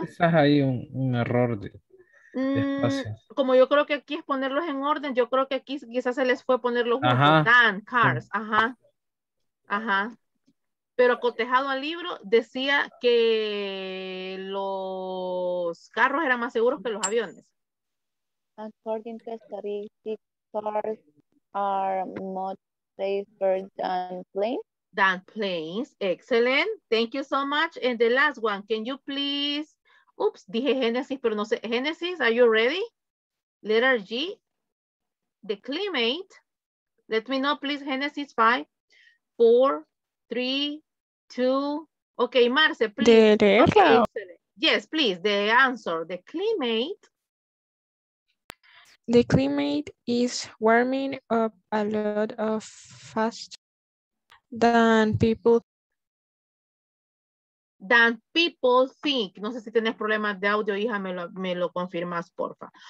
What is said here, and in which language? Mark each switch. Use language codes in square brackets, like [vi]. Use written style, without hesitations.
[es] Quizás hay un error de espacio. Como yo creo que aquí es ponerlos en orden, yo creo que aquí quizás se les fue ponerlo junto, ajá. [en] Than cars, [es] ajá. Ajá. Pero acotejado al libro, decía que los carros eran más seguros que los aviones. [en] According to statistics, cars are much safer than planes. Than planes. Excellent. Thank you so much. And the last one, can you please... Oops, [es] dije Genesis, pero no sé. [en] Genesis, are you ready? Letter G. The climate. Let me know, please, Genesis 5, 4, 3, 2. Okay, Marce, please. The okay, yes, please, the answer. The climate. The climate is warming up a lot of faster than people. Than people think. [es] No sé si tienes problemas de audio, hija, me lo confirmas, porfa.